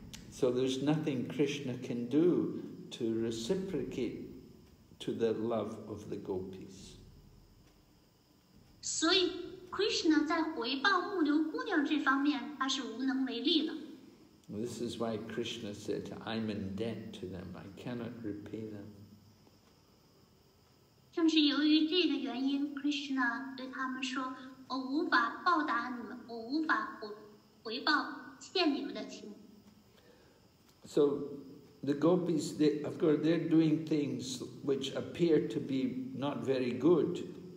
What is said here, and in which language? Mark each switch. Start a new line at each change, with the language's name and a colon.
English: So there's nothing Krishna can do to reciprocate to the love of the gopis.
Chinese: 所以 Krishna 在回报木牛姑娘这方面他是无能为力的。
English: This is why Krishna said, I'm in debt to them, I cannot repay them.
Chinese: 正是由于这个原因 Krishna 对他们说，我无法报答你们，我无法回报欠你们的情。
English: So the gopis, they, of course, they're doing things which appear to be not very good.